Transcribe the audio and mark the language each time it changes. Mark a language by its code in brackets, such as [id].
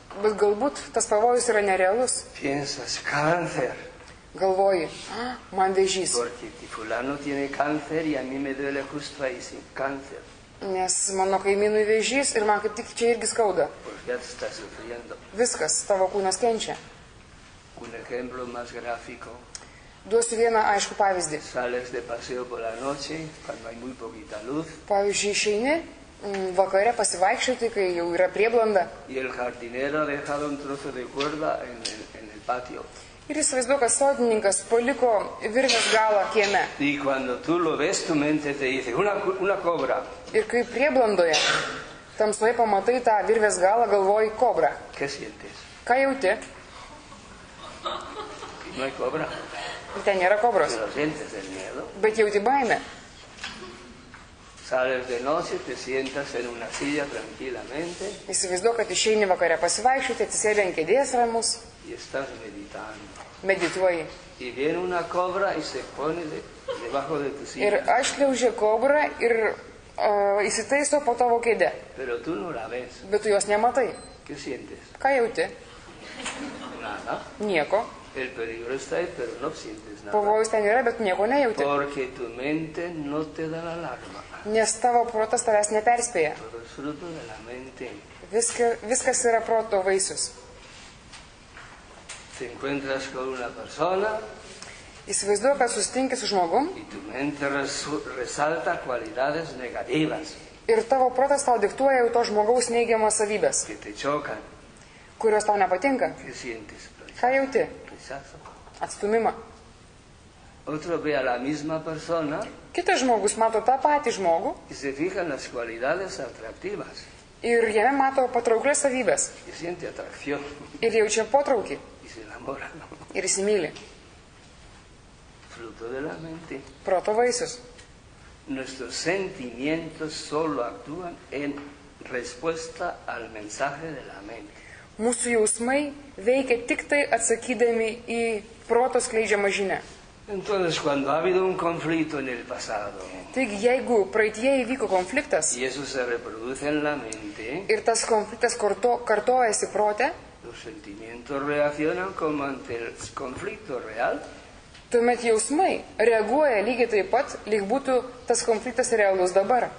[lt] Bet galbūt tas pavojus yra nerealus. [es] Piensas, cáncer. [lt] Galvoji, man vėžys. [es] Porque fulano tiene cáncer y a mí me duele justo ahí sin cáncer. [lt] Nes mano kaimynui vėžys ir man kaip tik čia irgi skauda. [es] Porque está sufriendo. [lt] Viskas, tavo kūnas kenčia. [es] Un ejemplo más gráfico. [lt] Duosiu vieną aišku pavyzdį. [es] Sales de paseo por la noche, cuando hay muy poquita luz. [lt] Pavyzdžiui, išeini vakare pasivaikščioti, kai jau yra prieblanda. [es] Y el jardinero ha dejado un trozo de cuerda en el patio. [lt] Ir įsivaizduok, kad sodininkas paliko virvės galą kieme. [es] Y cuando tú lo ves, tu mente te dice, una cobra. [lt] Ir kai prieblandoje tamsoje pamatai tą virvės galą, galvoji kobra. [es] ¿Qué sientes? [lt] Ką jauti? [es] No hay cobra. [lt] Ir ten nėra kobros. [es] Pero sientes el miedo. [lt] Bet jauti baimę. [es] Sales de noche, te sientas en una silla tranquilamente. [lt] Įsivaizduok, kad išeini vakare pasivaikščioti, atsisėdi ant kėdės ramus. [es] Y estás meditando. [lt] Medituoji. [es] Y viene una cobra y se pone debajo de tu silla. [lt] Ir atšliaužia kobra ir įsitaiso po tavo kėdę. [es] Pero tú no la ves. [lt] Bet tu jos nematai. [es] ¿Qué sientes? [lt] Ką jauti? [es] Nada. [lt] Nieko. [es] El peligro está ahí, pero no sientes nada. [lt] Pavojus ten yra, bet nieko nejauti. [es] Porque tu mente no te da la alarma. [lt] Nes tavo protas tavęs neperspėja. [es] Todo es fruto de la mente. [lt] Viskas yra proto vaisius. [es] Te encuentras con una persona. [lt] Įsivaizduok, kad susitinki su žmogum. [es] Y tu mente resalta cualidades negativas. [lt] Ir tavo protas tau diktuoja jau to žmogaus neigiamas savybės. [es] Que te chocan. [lt] Kurios tau nepatinka. [es] ¿Qué sientes? [lt] Ką jauti? [es] Rechazo. [lt] Atstumimą. [es] Otro ve a la misma persona. [lt] Kitas žmogus mato tą patį žmogų. [es] Y se fijan las cualidades atractivas. [lt] Ir jame mato patrauklės savybės. [es] Y siente atracción. [lt] Ir jaučia potraukį. [es] Y se enamora. [lt] Ir įsimylė. [es] Fruto de la mente. [lt] Proto vaisius. [es] Nuestros sentimientos solo actúan en respuesta al mensaje de la mente. [lt] Mūsų jausmai veikia tik tai atsakydami į proto skleidžiamą žinę. [es] Entonces, cuando ha habido un conflicto en el pasado. [lt] Taigi, jeigu praeitie įvyko konfliktas. [es] Y eso se reproduce en la mente. [lt] Ir tas konfliktas kartojasi prote. [es] Los sentimientos reaccionan como ante el conflicto real. [lt] tuomet jausmai reaguoja lygiai taip pat, lyg būtų tas konfliktas realus dabar.